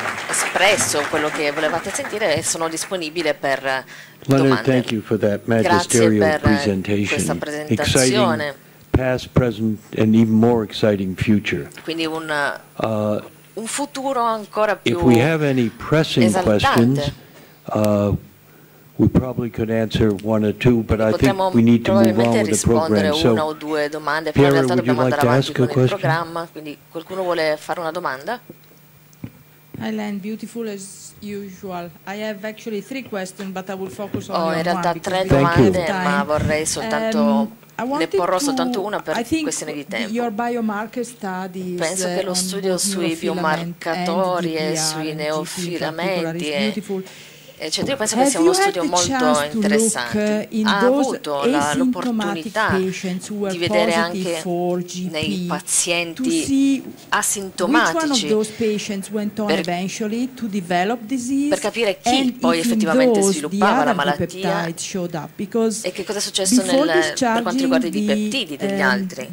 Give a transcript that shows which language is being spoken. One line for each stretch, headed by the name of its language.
Italian: espresso quello che volevate sentire e sono disponibile per domande.
English: Leonard, thank you for that magisterial presentation.
Italian: Grazie per questa presentazione.
English: Exciting past, present, and even more exciting future.
Italian: Quindi un futuro ancora più esaltante.
English: If we have any pressing questions, we probably could answer one or two, but I think we need to move on with the program. So, Piero, would you like to ask a question?
Italian: Programma. Quindi qualcuno vuole fare una domanda?
English: Hi, Len, beautiful as usual. I have actually three questions, but I will focus on one.
Italian: Ho in realtà tre domande, ma vorrei soltanto ne porrò soltanto una per questione di tempo.
English: Your biomarker studies,
Italian: penso che lo studio sui biomarcatori e sui neofilamenti è eccetera. Io penso che sia uno studio molto interessante. Ha avuto l'opportunità di vedere anche nei pazienti asintomatici per capire chi poi effettivamente sviluppava la malattia e che cosa è successo per quanto riguarda i dipeptidi degli altri.